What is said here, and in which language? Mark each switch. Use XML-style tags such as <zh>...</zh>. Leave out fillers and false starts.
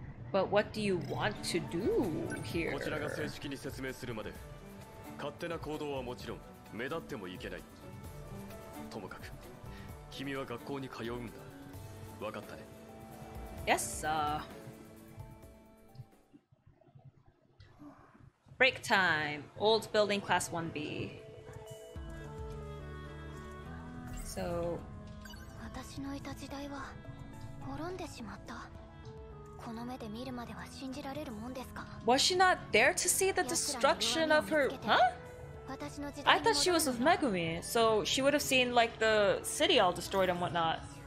<en>But what do you want to do here?</en> <ja>こちらが正式に説明するまで、勝手な行動はもちろん目立ってもいけない。ともかく、君は学校に通うんだ。わかったね。</ja> <en>Yes, sir. Break time. Old building class 1B. So.</en> <ja>私のいた時代は滅んでしまった。この目で見るまでは信じられるもんですか?</ja> <en>Was she not there to see the destruction of her? Huh? I thought she was with Megumi, so she would have seen like the city all destroyed and whatnot.</en>